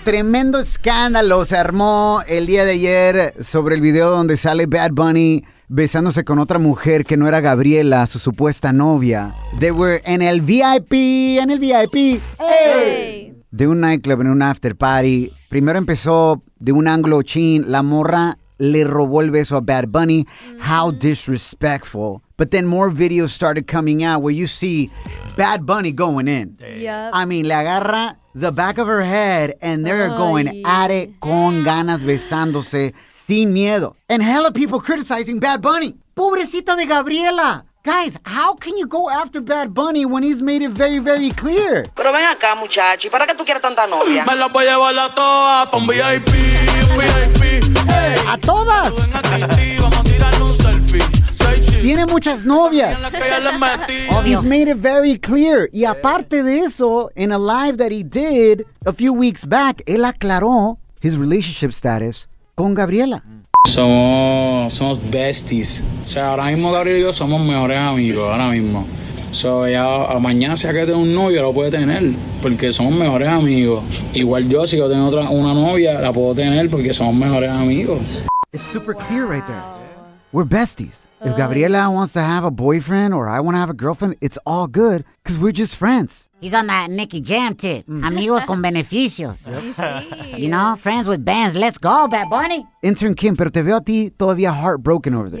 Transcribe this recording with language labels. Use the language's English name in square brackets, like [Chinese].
[Spanish] Tremendo escándalo se armó el día de ayer sobre el video donde sale Bad Bunny besándose con otra mujer que no era Gabriela, su supuesta novia. [English] They were in [Spanish] el VIP, en el VIP. ¡Hey! De un nightclub, en un after party. Primero empezó de un ángulo chin. La morra le robó el beso a Bad Bunny. [English] How disrespectful. But then more videos started coming out where you see Bad Bunny going in. Yep. I mean, [Spanish] le agarra [English] the back of her head and they're going at it [Spanish] con ganas besándose. Sin miedo. [English] And hella people criticizing Bad Bunny. [Spanish] Pobrecita de Gabriela. [English] Guys, how can you go after Bad Bunny when he's made it very, very clear? [Spanish] Pero ven acá, muchacho. ¿Y para qué tú quieres tanta novia? Me la voy a llevar a todas pa' un VIP, VIP. Hey. ¿A todas? Vamos a tirar un selfie. Tiene muchas novias. [English] He's made it very clear. [Spanish] Y aparte de eso, [English] in a live that he did a few weeks back, [Spanish] él aclaró [English] his relationship status [Spanish] con Gabriela. Somos besties. O sea, ahora mismo Gabriel y yo somos mejores amigos, ahora mismo. So, ya a mañana si acá tengo un novio, lo puede tener, porque somos mejores amigos. Igual yo, si yo tengo una novia, la puedo tener, porque somos mejores amigos. [English] It's super clear right there. We're besties. If Gabriela wants to have a boyfriend or I want to have a girlfriend, it's all good because we're just friends. He's on that Nicki Jam tip. [Spanish] Amigos con beneficios. [English] You know, friends with bands. Let's go, Bad Bunny. [Spanish] Intern Kim, pero te veo a ti todavía [English] heartbroken over this.